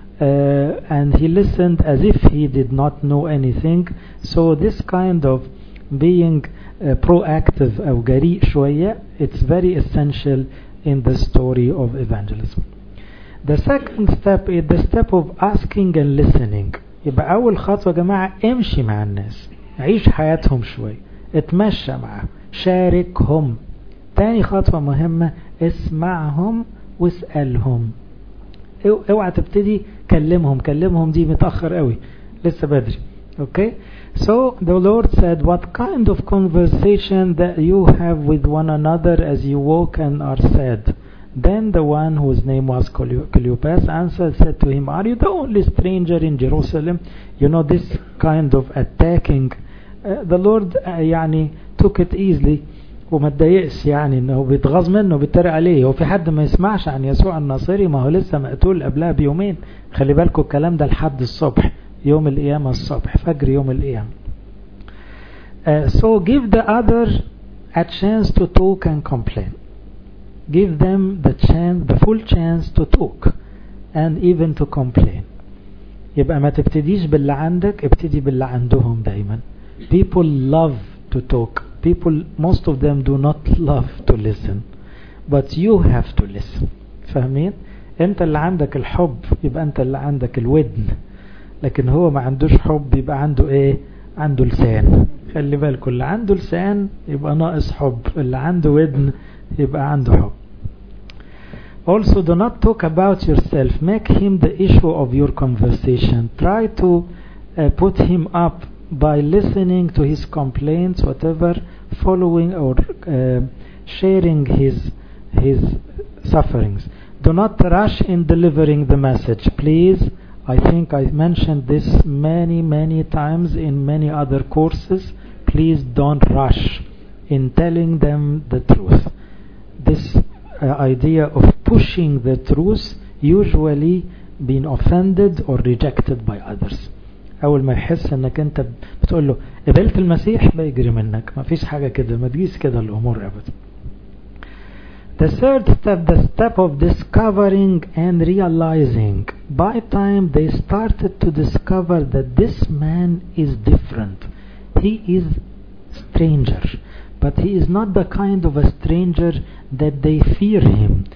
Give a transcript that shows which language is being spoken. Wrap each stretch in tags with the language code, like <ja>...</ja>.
<en>And he listened as if he did not know anything. So this kind of being proactive</en> <ar>أو جريء شوية,</ar> <en>it's very essential in the story of evangelism. The second step is the step of asking and listening.</en> <ar>يبقى أول خطوة جماعة, امشي مع الناس, عيش حياتهم شوية, اتمشى معهم, شاركهم. تاني خطوة مهمة, اسمعهم واسألهم. اوعى تبتدي كلمهم دي متأخر قوي, لسه بدري.</ar> <en>Okay? So the Lord said, what kind of conversation that you have with one another as you walk and are sad? Then the one whose name was Cleopas answered, said to him, are you the only stranger in Jerusalem? You know, this kind of attacking, the Lord يعني, took it easily.</en> <ar>وما تضايقش يعني انه بيتغاظ منه وبيتريق عليه. وفي حد ما يسمعش عن يسوع الناصري؟ ما هو لسه مقتول قبلها بيومين. خلي بالكم الكلام ده لحد الصبح يوم القيامة الصبح فجر يوم القيامة.</ar> <en>So give the other a chance to talk and complain. Give them the chance, the full chance to talk and even to complain.</en> <ar>يبقى ما تبتديش باللي عندك، ابتدي باللي عندهم دايما.</ar> <en>People love to talk. People, most of them do not love to listen, but you have to listen.</en> <ar>فاهمين؟ انت اللي عندك الحب يبقى انت اللي عندك الودن، لكن هو ما عندوش حب يبقى عنده ايه؟ عنده لسان. خلي بالك اللي عنده لسان يبقى ناقص حب، اللي عنده ودن يبقى عنده حب.</ar> <en>Also do not talk about yourself. Make him the issue of your conversation. Try to put him up by listening to his complaints, whatever, following or sharing his sufferings. Do not rush in delivering the message. Please, I think I mentioned this many, many times in many other courses. Please don't rush in telling them the truth. This idea of pushing the truth usually being offended or rejected by others.</en> <ar>أول ما يحس أنك أنت بتقول له قبلت المسيح بيجري منك، ما فيش حاجة كده، ما تجيس كده الأمور أبدا.</ar> <en>The third step, the step of discovering and realizing. By time they started to discover that this man is different. He is stranger. But he is not the kind of a stranger that they fear him.</en>